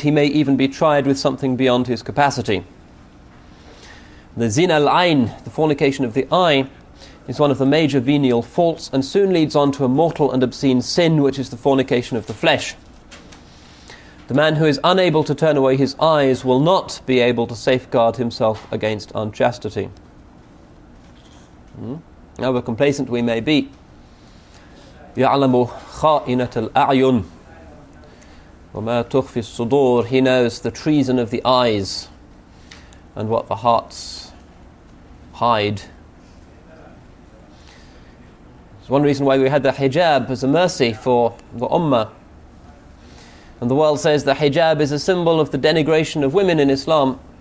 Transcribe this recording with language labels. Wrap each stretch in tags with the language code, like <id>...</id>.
<en>He may even be tried with something beyond his capacity. The zina al-ayn, the fornication of the eye, is one of the major venial faults, and soon leads on to a mortal and obscene sin, which is the fornication of the flesh. The man who is unable to turn away his eyes will not be able to safeguard himself against unchastity. However complacent we may be,</en> <ar>يَعْلَمُ خَائِنَةَ الْأَعْيُنِ وَمَا تُخْفِي الصُّدُورِ.</ar> <en>He knows the treason of the eyes and what the hearts hide. It's one reason why we had the hijab as a mercy for the ummah. And the world says the hijab is a symbol of the denigration of women in Islam.</en>